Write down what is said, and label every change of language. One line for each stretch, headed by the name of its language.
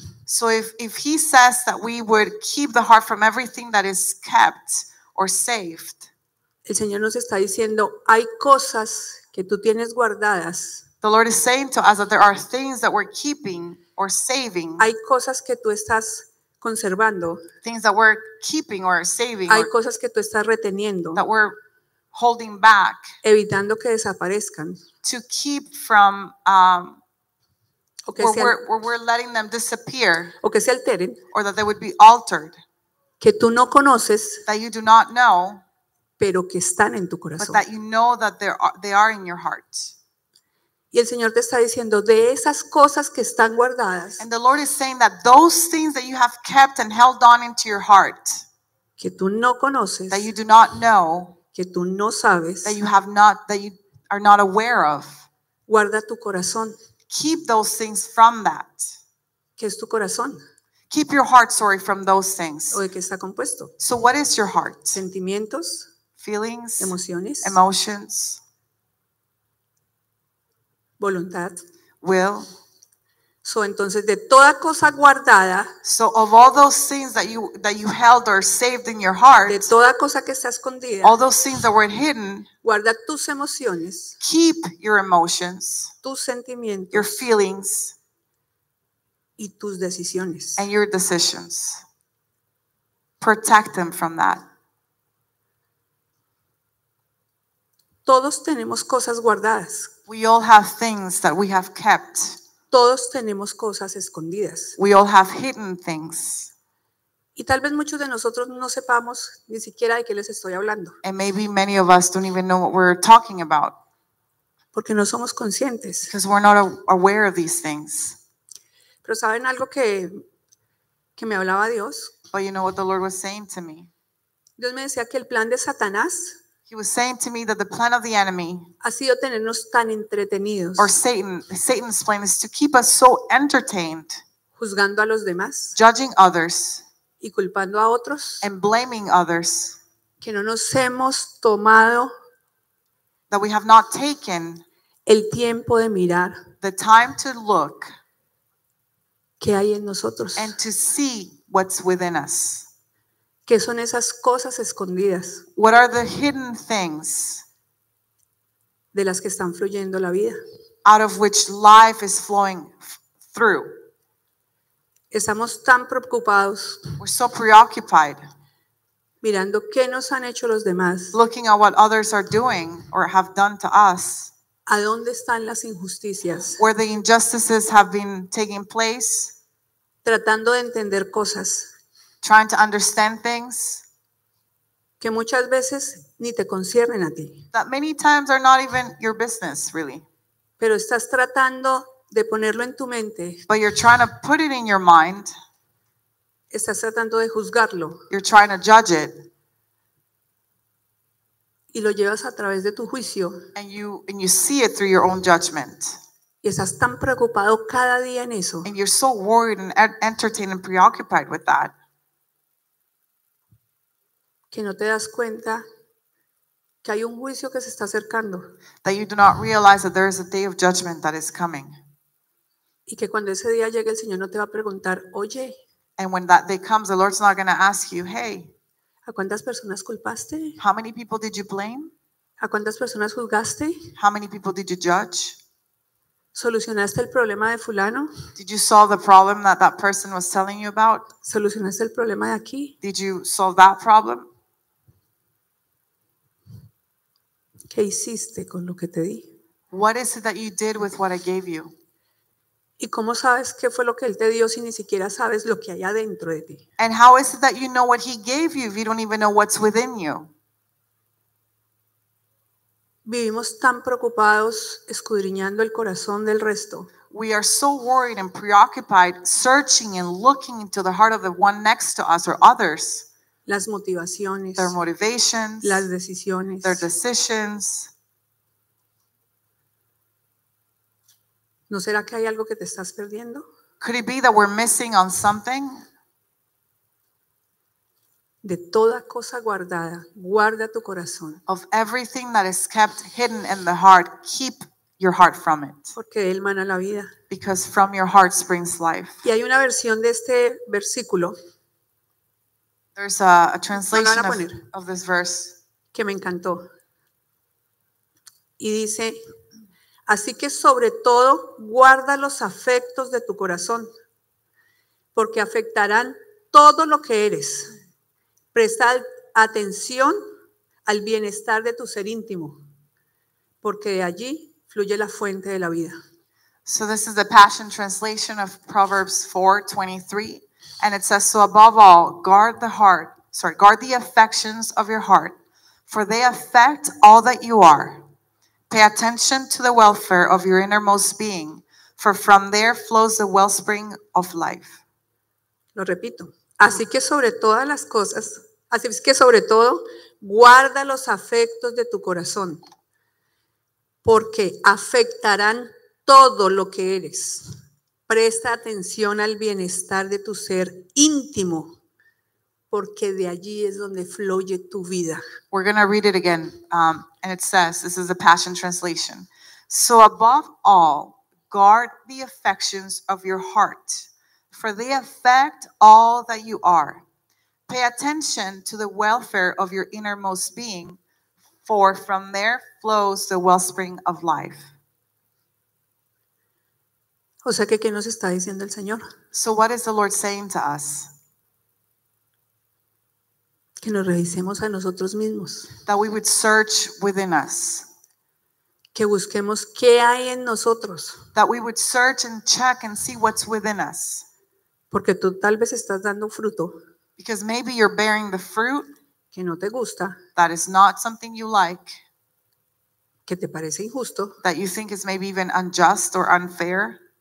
English: So if he says that we would keep the heart from everything that is kept or saved.
Spanish: El Señor nos está diciendo, hay cosas que tú tienes guardadas.
English: The Lord is saying to us that there are things that we're keeping or saving.
Spanish: Hay cosas que tú estás conservando.
English: Things that we're keeping or saving.
Spanish: Hay
English: or
Spanish: cosas que tú estás reteniendo.
English: That we're holding back.
Spanish: Evitando que desaparezcan.
English: To keep from, we're letting them disappear.
Spanish: O que se alteren.
English: Or that they would be altered.
Spanish: Que tú no conoces.
English: That you do not know.
Spanish: Pero que están en tu corazón.
English: But that you know that they are in your heart.
Spanish: Y el Señor te está diciendo, de esas cosas que están guardadas.
English: And the Lord is saying that those things that you have kept and held on into your heart.
Spanish: Que tú no conoces.
English: That you do not know.
Spanish: Que tú no sabes.
English: That you have not, that you are not aware of.
Spanish: Guarda tu corazón.
English: Keep those things from that.
Spanish: ¿Qué es tu corazón?
English: Keep your heart, sorry, from those things.
Spanish: ¿O de qué está compuesto?
English: So what is your heart?
Spanish: Sentimientos.
English: Feelings,
Spanish: emociones,
English: emotions,
Spanish: voluntad,
English: will.
Spanish: So entonces de toda cosa guardada,
English: so of all those things that you held or saved in your heart,
Spanish: de toda cosa que está escondida,
English: all those things that were hidden,
Spanish: guarda tus emociones,
English: keep your emotions,
Spanish: tus sentimientos,
English: your feelings,
Spanish: y tus decisiones,
English: and your decisions. Protect them from that.
Spanish: Todos tenemos cosas guardadas.
English: We all have things that we have kept.
Spanish: Todos tenemos cosas escondidas.
English: We all have hidden things.
Spanish: Y tal vez muchos de nosotros no sepamos ni siquiera de qué les estoy hablando.
English: And maybe many of us don't even know what we're talking about.
Spanish: Porque no somos conscientes.
English: Because we're not aware of these things.
Spanish: Pero saben algo que me hablaba Dios.
English: But you know what the Lord was saying to me.
Spanish: Dios me decía que el plan de Satanás.
English: He was saying to me that the plan of the enemy,
Spanish: ha sido tenernos tan entretenidos,
English: or Satan's plan is to keep us so entertained,
Spanish: juzgando a los demás,
English: judging others,
Spanish: y culpando a otros,
English: and blaming others,
Spanish: que no nos hemos tomado,
English: that we have not taken
Spanish: el tiempo de mirar,
English: the time to look,
Spanish: qué hay en nosotros,
English: and to see what's within us.
Spanish: ¿Qué son esas cosas escondidas?
English: What are the hidden things?
Spanish: De las que están fluyendo la vida.
English: Out of which life is flowing through.
Spanish: Estamos tan preocupados.
English: We're so preoccupied.
Spanish: Mirando qué nos han hecho los demás.
English: Looking at what others are doing or have done to us.
Spanish: ¿A dónde están las injusticias?
English: Where the injustices have been taking place.
Spanish: Tratando de entender cosas.
English: Trying to understand things
Spanish: que muchas veces ni te conciernen a ti.
English: That many times are not even your business, really.
Spanish: Pero estás tratando de ponerlo en tu mente.
English: But you're trying to put it in your mind.
Spanish: Estás tratando de juzgarlo.
English: You're trying to judge it.
Spanish: Y lo llevas a través de tu juicio.
English: And you see it through your own judgment.
Spanish: Y estás tan preocupado cada día en eso.
English: And you're so worried and entertained and preoccupied with that.
Spanish: Que no te das cuenta que hay un juicio que se está acercando.
English: That you do not realize that there is a day of judgment that is coming.
Spanish: Y que cuando ese día llegue el Señor no te va a preguntar, oye.
English: And when that day comes, the Lord's not going to ask you, hey.
Spanish: ¿A cuántas personas culpaste?
English: How many people did you blame?
Spanish: ¿A cuántas personas juzgaste?
English: How many people did you judge?
Spanish: ¿Solucionaste el problema de fulano?
English: Did you solve the problem that person was telling you about?
Spanish: ¿Solucionaste el problema de aquí?
English: Did you solve that problem?
Spanish: ¿Qué hiciste con lo que te di?
English: What is it that you did with what I gave you?
Spanish: ¿Y cómo sabes qué fue lo que él te dio si ni siquiera sabes lo que hay adentro de ti?
English: And how is it that you know what he gave you if you don't even know what's within you?
Spanish: Vivimos tan preocupados escudriñando el corazón del resto.
English: We are so worried and preoccupied searching and looking into the heart of the one next to us or others.
Spanish: Las motivaciones.
English: Their motivations.
Spanish: Las decisiones.
English: Their decisions.
Spanish: ¿No será que hay algo que te estás perdiendo?
English: Could it be that we're missing on something?
Spanish: De toda cosa guardada, guarda tu corazón.
English: Of everything that is kept hidden in the heart, keep your heart from it.
Spanish: Porque él mana la vida.
English: Because from your heart springs life.
Spanish: Y hay una versión de este versículo.
English: There's a translation of this verse.
Spanish: Que me encantó. Y dice, así que sobre todo, guarda los afectos de tu corazón, porque afectarán todo lo que eres. Presta atención al bienestar de tu ser íntimo, porque de allí fluye la fuente de la vida.
English: So this is the Passion Translation of Proverbs 4:23, and it says, so above all, guard the affections of your heart, for they affect all that you are. Pay attention to the welfare of your innermost being, for from there flows the wellspring of life.
Spanish: Lo repito. Así que sobre todas las cosas, así que sobre todo, guarda los afectos de tu corazón, porque afectarán todo lo que eres. Presta atención al bienestar de tu ser íntimo, porque de allí es donde fluye tu vida.
English: We're going to read it again, and it says, this is the Passion Translation. So above all, guard the affections of your heart, for they affect all that you are. Pay attention to the welfare of your innermost being, for from there flows the wellspring of life.
Spanish: O sea, ¿qué nos está diciendo el Señor?
English: So what is the Lord saying to us?
Spanish: Que nos revisemos a nosotros mismos.
English: That we would search within us.
Spanish: Que busquemos qué hay en nosotros.
English: That we would search and check and see what's within us.
Spanish: Porque tú tal vez estás dando fruto.
English: Because maybe you're bearing the fruit.
Spanish: Que no te gusta.
English: That is not something you like.
Spanish: Que te parece injusto.
English: That you think is maybe even unjust or unfair.